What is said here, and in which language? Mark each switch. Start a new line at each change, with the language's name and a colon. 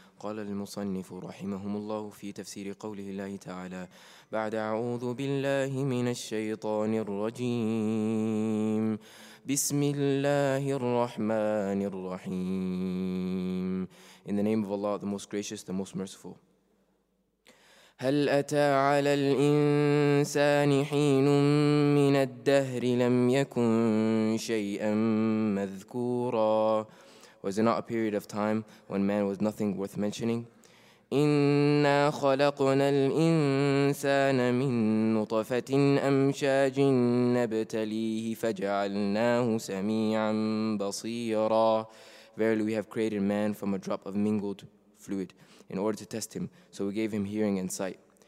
Arabic: قال المصنف رحمهم الله في تفسير قوله الله تعالى بعد أعوذ بالله من الشيطان الرجيم بسم الله الرحمن الرحيم.
English: In the name of Allah, the most gracious, the most merciful.
Arabic: هل أتى على الإنسان حين من الدهر لم يكن شيئا مذكورا.
English: Was it not a period of time when man was nothing worth mentioning?
Arabic: إِنَّا خَلَقْنَا الْإِنسَانَ مِنْ نُطَفَةٍ أَمْشَاجٍ نَبْتَلِيهِ فَجَعَلْنَاهُ سَمِيعًا بَصِيرًا.
English: Verily we have created man from a drop of mingled fluid in order to test him, so we gave him hearing and sight.